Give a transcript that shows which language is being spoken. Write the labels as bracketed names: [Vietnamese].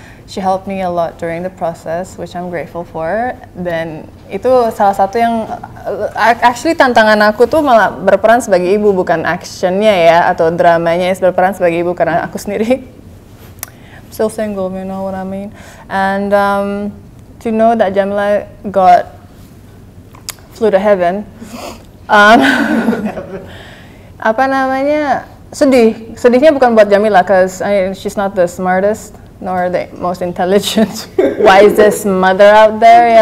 [English] She helped me a lot during the process, which I'm grateful for. [Indonesian] Dan itu salah satu yang actually tantangan aku tuh malah berperan sebagai ibu, bukan actionnya ya atau dramanya berperan sebagai ibu karena aku sendiri. [English] Still single, you know what I mean? And to know that Jamila got flew to heaven, [Indonesian] apa namanya, sedihnya bukan buat Jamila, [English] cause I mean, she's not the smartest nor the most intelligent wisest mother out there.